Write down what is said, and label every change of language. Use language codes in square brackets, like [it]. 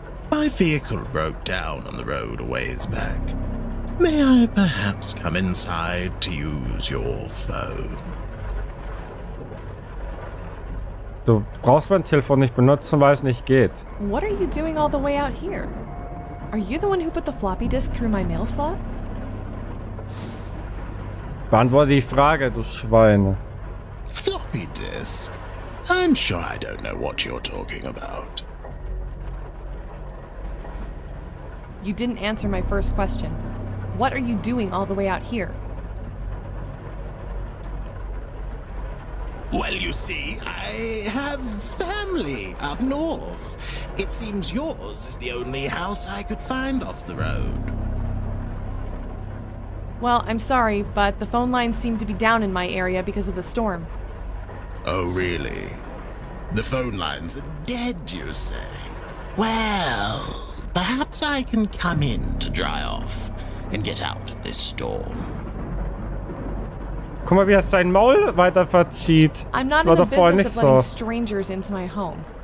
[en] My vehicle broke down on the road a ways back. May I perhaps come inside to use your phone? [de] Du brauchst mein Telefon nicht benutzen, weil es nicht geht. [en] What are you doing all the way out here? Are you the one who put the floppy disk through my mail slot? [de] Beantworte die Frage, du Schweine. [en] Floppy disk? I'm sure I don't know what you're talking about. You didn't answer my first question. What are you doing all the way out here? Well, you see, I have family up north. It seems yours is the only house I could find off the road. Well, I'm sorry, but the phone lines seem to be down in my area because of the storm. Oh, really? The phone lines are dead, you say? Well, perhaps I can come in to dry off and get out of this storm. [de] Guck mal, wie er sein Maul weiter verzieht. [en] I'm not in the business of letting strangers into my home.